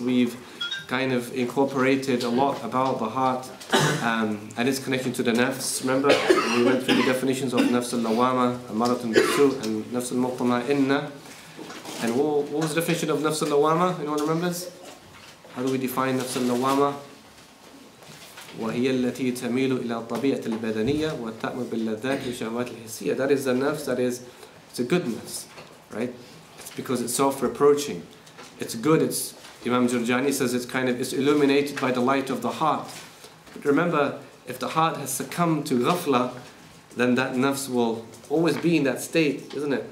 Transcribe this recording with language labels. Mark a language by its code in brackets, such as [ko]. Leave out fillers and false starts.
[en] We've kind of incorporated a lot about the heart and its connection to the nafs. Remember, we went through the definitions of nafs al-lawama, al-maratun bisu, and nafs al-muqtama inna. And what was the definition of nafs al-lawama? Anyone remembers? How do we define nafs al-lawama? [ar] وهي التي تميل إلى الطبيعة البدنية وتأمر باللذات والشهوات الحسية. [en] That is the nafs, that is, it's a goodness, right? It's because it's self-reproaching. It's good, it's, Imam Jurjani says it's kind of, it's illuminated by the light of the heart. But remember, if the heart has succumbed to ghafla, then that nafs will always be in that state, isn't it?